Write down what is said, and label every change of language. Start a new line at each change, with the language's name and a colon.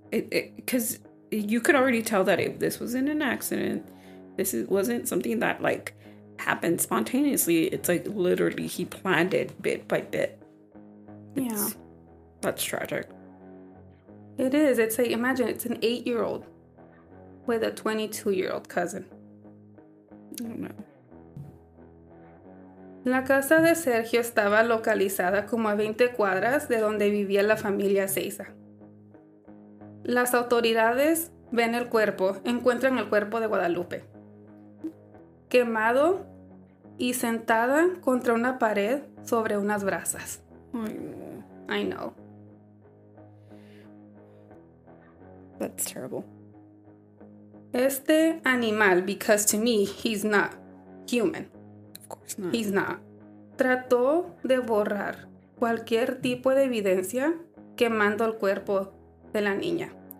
English: Because you could already tell that if this was in an accident, this wasn't something that, like, happened spontaneously. It's like literally he planned it bit by bit. It's, yeah, that's tragic. It is. It's like, imagine, it's an 8-year-old with a 22-year-old cousin. I don't know.
Spanish: La casa de Sergio estaba localizada como a 20 cuadras de donde vivía la familia Ezeiza. Las autoridades ven el cuerpo, encuentran el cuerpo de Guadalupe quemado y sentada contra una pared sobre unas brasas. Ay,
English: no. I know. That's terrible.
Spanish: Este animal,
English: because to me, he's not human. Of course not. He's not.
Spanish: Trató de borrar cualquier tipo de evidencia quemando el cuerpo de la niña.